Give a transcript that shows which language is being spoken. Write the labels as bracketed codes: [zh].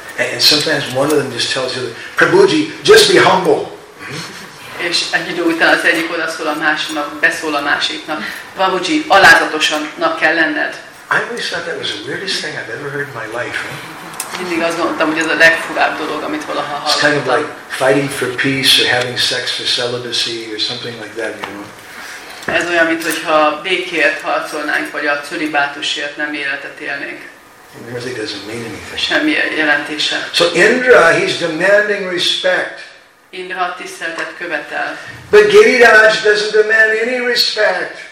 [en] And sometimes one of them just tells you, Prabhuji, just be humble. [hu] És egy idő után az egyik odaszól a másiknak, beszól a másiknak. Prabhuji, alázatosannak kell lenned. [en] I always thought that was the weirdest thing I've ever heard in my life. [hu] Mindig azt gondoltam, hogy ez a legfurább dolog, amit valaha hallottam. [en] It's kind of like fighting for peace or having sex for celibacy or something like that, you know. [hu] Ez olyan, mint hogyha békért harcolnánk, vagy a cölibátusért nem életet élnénk. [en] It really doesn't mean anything. [hu] Semmi jelentése. [en] So Indra, he's demanding respect. [hu] Indra tiszteletet követel. [en] But Giriraj doesn't demand any respect.